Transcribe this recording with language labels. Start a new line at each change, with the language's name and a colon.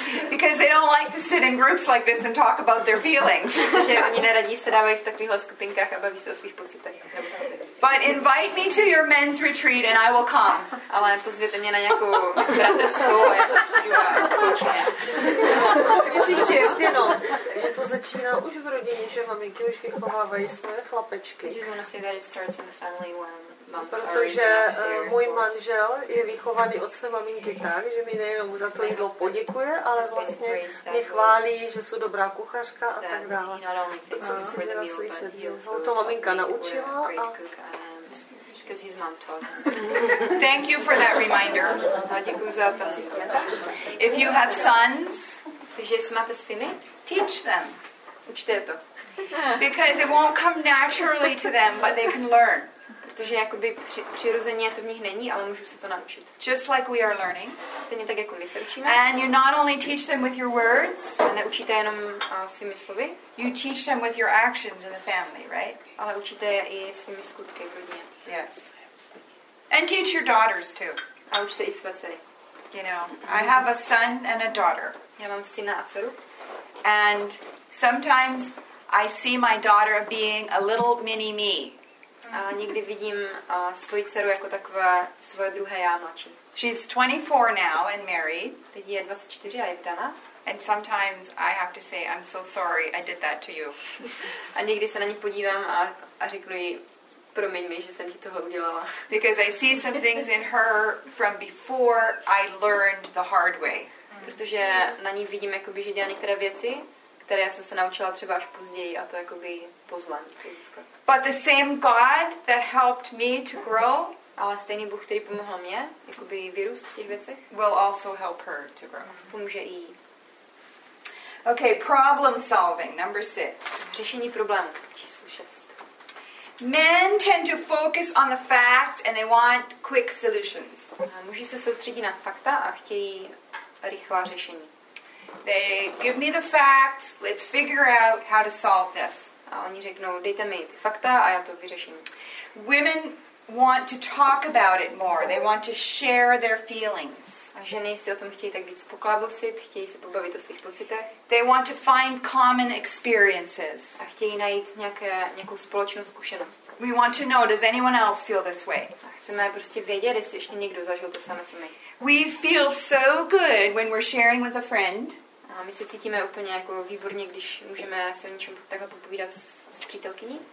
English: Because they don't like to sit in groups like this and talk about their feelings.
Czech: Že oni neradí sedávají v takovýchhle skupinkách a baví se o svých pocitech.
English: But invite me to your men's retreat and I will come.
Czech: Ale pozvěte mě na nějakou bratrskou a já to přijdu a počíně. Je to štěstěno. Že to začíná už v rodině, že maminky už vychovávají svoje chlapečky.
English: Did you want to say that it starts in the family when
Czech: protože můj manžel je vychovaný od své maminky tak, že mi nejenom za to jídlo poděkuje, ale vlastně mě chválí, že jsou dobrá kuchařka a tak dále. To jsem si teda slyšet, že to maminka naučila a...
English: Because his mom taught him. Thank you for that reminder.
Czech: Děkuji za to.
English: If you have sons,
Czech: takže jestli máte syny,
English: teach them.
Czech: Učte to.
English: Because it won't come naturally to them, but they can learn.
Czech: Protože jakoby přirozeně to v nich není, ale můžu se to naučit.
English: Just like we are learning.
Czech: Stejně tak, jako my se učíme.
English: And you not only teach them with your words.
Czech: A neučíte jenom svými slovy.
English: You teach them with your actions in the family, right?
Czech: Ale učíte je i svými skutky v rodině.
English: Yes. And teach your daughters too.
Czech: A učte i své dcery.
English: You know, I have a son and a daughter.
Czech: Já mám syna a dceru.
English: And sometimes I see my daughter being a little mini me.
Czech: A někdy vidím svoji dceru jako takové svoje druhé já mladší.
English: She's 24 now and married.
Czech: Teď je 24 a je vdana.
English: And sometimes I have to say, I'm so sorry, I did that to you.
Czech: A někdy se na ní podívám a řeknu jí, promiň mi, že jsem ti toho udělala.
English: Because I see some things in her from before I learned the hard way.
Czech: Protože na ní vidím, jakoby, že dělá některé věci, které já jsem se naučila třeba až později a to jakoby pozlem.
English: But the same God that helped me to grow,
Czech: ale stejný Bůh, který pomohl mě jakoby vyrůst v těch věcech,
English: will also help her to grow.
Czech: Pomůže jí.
English: Okay, problem solving, number 6.
Czech: Řešení problémů, číslo 6.
English: Men tend to focus on the facts and they want quick solutions.
Czech: Muži se soustředí na fakta a chtějí rychlá řešení.
English: They give me the facts, let's figure out how to solve this.
Czech: A oni řeknou, dejte mi ty fakta a já to vyřeším.
English: Women want to talk about it more. They want to share their feelings.
Czech: A ženy si o tom chtějí tak víc poklábosit, chtějí se pobavit o svých pocitech.
English: They want to find common experiences.
Czech: A chtějí najít nějakou společnou zkušenost.
English: We want to know, does anyone else feel this way?
Czech: A chceme prostě vědět, jestli ještě někdo zažil to samé, co my.
English: We feel so good when we're sharing with a friend.
Czech: A my se cítíme úplně jako výborně, když můžeme se o něčem takhle popovídat s přítelkyní.